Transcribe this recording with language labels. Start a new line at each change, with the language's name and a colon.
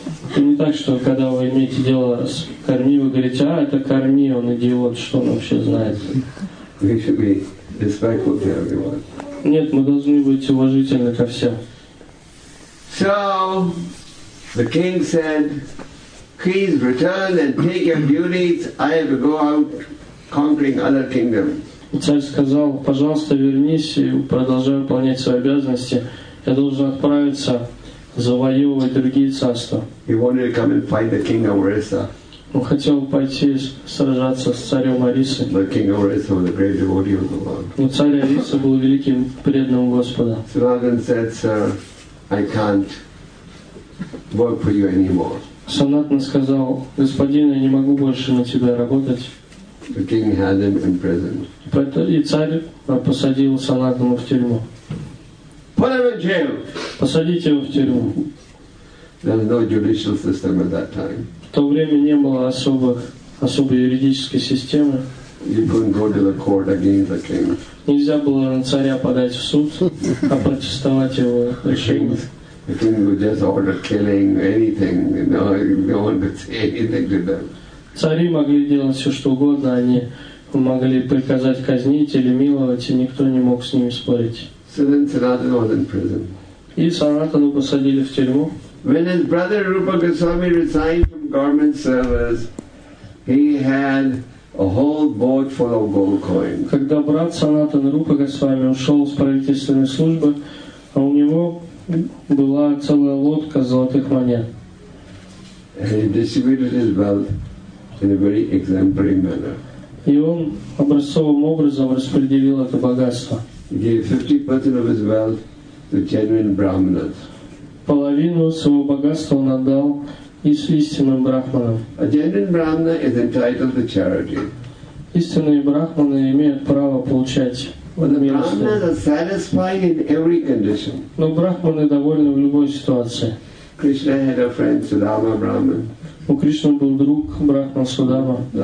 Russian: Это не так, что когда вы имеете дело с карми, вы говорите, а, это карми, он идиот, что он вообще знает.
English: We should be respectful to everyone.
Russian: Нет, мы должны быть уважительны ко всем.
English: So the king said, please return and take your duties. I have to go out conquering other kingdoms.
Russian: Царь сказал, пожалуйста, вернись и продолжай выполнять свои обязанности. Я должен отправиться завоевывать другие царства.
English: He wanted to come and fight the king of Orissa.
Russian: Он хотел пойти сражаться с царем Орисы.
English: The king of Orissa was a great devotee of the Lord.
Russian: Но царь Орисы был великим преданным Господа.
English: Sanatan said, sir, I can't work for you anymore.
Russian: Санатана сказал, господин, я не могу больше на тебя работать.
English: The king had him imprisoned.
Russian: И царь посадил Санатану в тюрьму.
English: Put him in jail.
Russian: Посадите его в тюрьму.
English: There was no judicial system at that time.
Russian: В то время не было особой юридической системы.
English: You couldn't go to the court against the king.
Russian: Нельзя было на царя подать в суд, а протестовать его решение.
English: The king would just order killing, anything, you know, no one could say anything to them.
Russian: Цари могли делать все, что угодно, они могли приказать казнить или миловать, и никто не мог с ними спорить.
English: So then Sanatana was in prison.
Russian: И Санатану посадили в тюрьму.
English: When his brother Rupa Goswami resigned from government service, he had a whole boat full of gold coins.
Russian: Когда брат Санатана Рупа Госвами ушел с правительственной службы, у него была целая лодка золотых монет.
English: And he distributed his wealth in a very exemplary manner.
Russian: И он образцовым образом распределил это богатство.
English: He gave 50% of his wealth to genuine brahmanas.
Russian: Половину своего богатства он отдал истинным брахманам.
English: A genuine brahmana is entitled to charity.
Russian: Истинные брахманы имеют право получать милостыню.
English: But the brahmanas are satisfied in every condition.
Russian: Но брахманы довольны в любой ситуации.
English: Krishna had a friend, Sudama Brahman.
Russian: У Кришны был друг, брахман Судама.